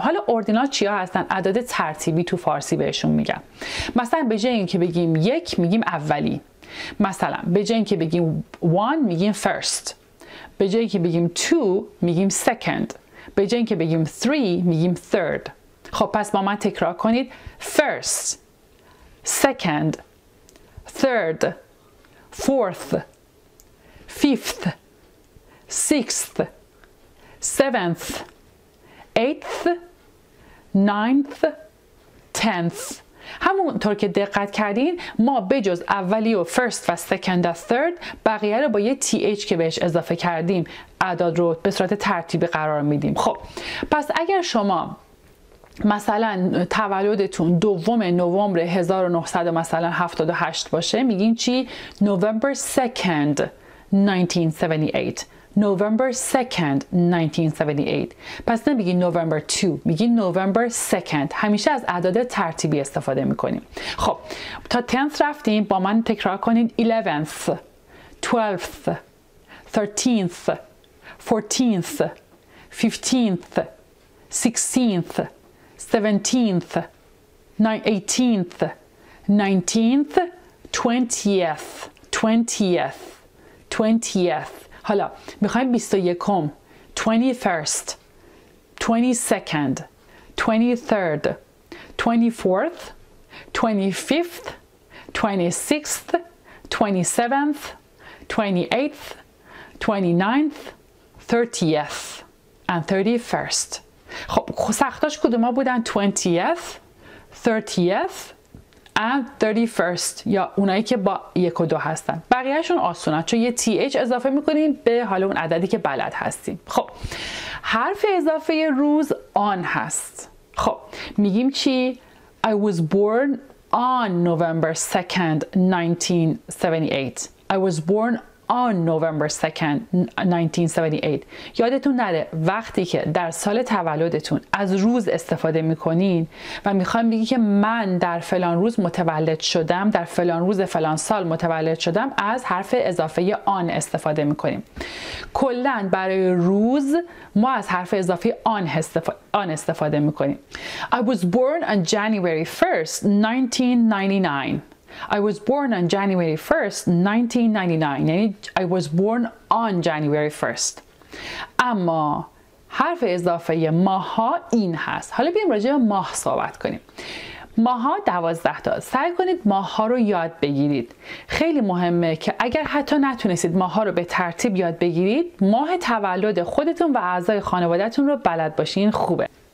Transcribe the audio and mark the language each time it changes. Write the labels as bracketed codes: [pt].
[fa] حالا اوردینال چیا هستن؟ اعداد ترتیبی تو فارسی بهشون میگن. مثلا به جای اینکه بگیم یک میگیم اولی، مثلا به جای اینکه بگیم one میگیم first، به جای اینکه بگیم two میگیم second، به جای اینکه بگیم three میگیم third. خب پس با من تکرار کنید: [en] first، second، third، fourth، fifth، sixth، seventh، eighth، ninth، tenth. [fa] همونطور که دقت کردین ما بجز اولی و first و second و third بقیه رو با یه th که بهش اضافه کردیم اعداد رو به صورت ترتیبی قرار میدیم. خب پس اگر شما مثلا تولدتون دوم نوامبر 1978 باشه، میگین چی؟ [en] November 2nd 1978. November 2nd 1978. [fa] پس نمیگی [en] November 2، [fa] میگی [en] November 2nd. [fa] همیشه از اعداد ترتیبی استفاده میکنیم. خب تا [en] 10th [fa] رفتیم، با من تکرار کنید: [en] 11th، 12th، 13th، 14th، 15th، 16th، 17th، 18th، 19th، 20th، 20th، 20th. [fa] حالا میخوایم 21م، [en] 21st، 22nd، 23rd، 24th، 25th، 26th، 27th، 28th، 29th، 30th and 31st. [fa] خب سختاش کدوم ها بودن؟ [en] 20th، 30th and 31st، [fa] یا اونایی که با یک و دو هستن. بقیهشون آسونه، چون یه th اضافه میکنیم به حالا اون عددی که بلد هستیم. خب حرف اضافه روز on هست. خب میگیم چی؟ [en] I was born on November 2nd 1978. I was born on November 2nd, 1978. [fa] یادتون نره وقتی که در سال تولدتون از روز استفاده میکنین و میخواییم بگی که من در فلان روز متولد شدم، در فلان روز فلان سال متولد شدم، از حرف اضافه on استفاده میکنیم. کلن برای روز ما از حرف اضافه on استفاده میکنیم. [en] I was born on January 1st, 1999. I was born on January 1st, 1999. [fa] یعنی [en] I was born on January 1st. [fa] اما حرف اضافه ماها این هست. حالا بیایم راجع به ماه صحبت کنیم. ماها 12 تا. سعی کنید ماها رو یاد بگیرید. خیلی مهمه که اگر حتی نتونستید ماها رو به ترتیب یاد بگیرید، ماه تولد خودتون و اعضای خانوادتون رو بلد باشین خوبه.